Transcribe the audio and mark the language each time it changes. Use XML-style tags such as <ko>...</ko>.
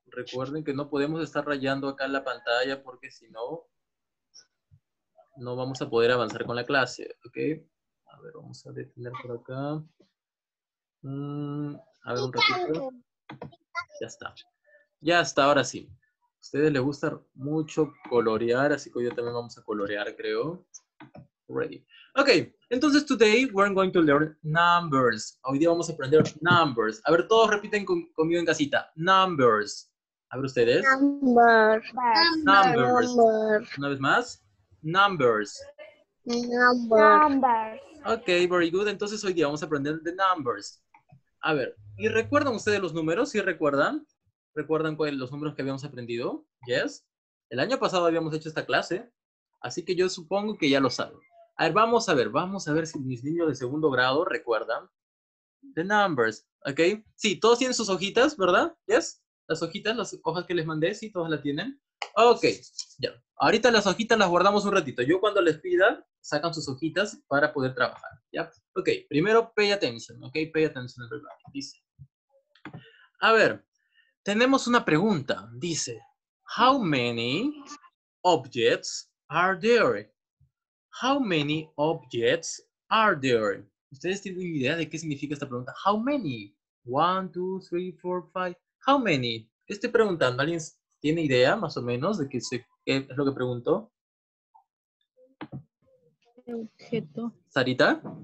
<es>Recuerden que no podemos estar rayando acá en la pantalla porque si no, no vamos a poder avanzar con la clase, ¿ok? A ver, vamos a detener por acá. A ver, un ratito. Ya está. Ya está, ahora sí. A ustedes les gusta mucho colorear, así que hoy también vamos a colorear, creo.</es> <en>Ready. Ok, entonces today we're going to learn numbers.</en> <es>Hoy día vamos a aprender numbers. A ver, todos repiten conmigo en casita. Numbers. A ver ustedes.</es> <en>Numbers. Numbers. Numbers. Una vez más. Numbers. Numbers. Ok, very good.</en> <es>Entonces hoy día vamos a aprender the numbers. A ver, ¿y recuerdan ustedes los números? ¿Sí recuerdan? ¿Recuerdan cuáles los números que habíamos aprendido? Yes. El año pasado habíamos hecho esta clase. Así que yo supongo que ya lo saben. A ver, vamos a ver si mis niños de segundo grado recuerdan. The numbers, ¿ok? Sí, todos tienen sus hojitas, ¿verdad? ¿Yes? Las hojitas, las hojas que les mandé, sí, todas las tienen. Ok, ya. Ahorita las hojitas las guardamos un ratito. Yo cuando les pida, sacan sus hojitas para poder trabajar, ¿ya?</es> <en>Ok, primero pay attention, ¿ok? Pay attention, everybody, dice.</en> <es>A ver, tenemos una pregunta.</es> <en>Dice, how many objects are there? How many objects are there?</en> <es>¿Ustedes tienen idea de qué significa esta pregunta?</es> <en>How many? 1, 2, 3, 4, 5. How many?</en> <es>¿Qué estoy preguntando? ¿Alguien tiene idea, más o menos, de qué es lo que pregunto? objeto. ¿Sarita?</es>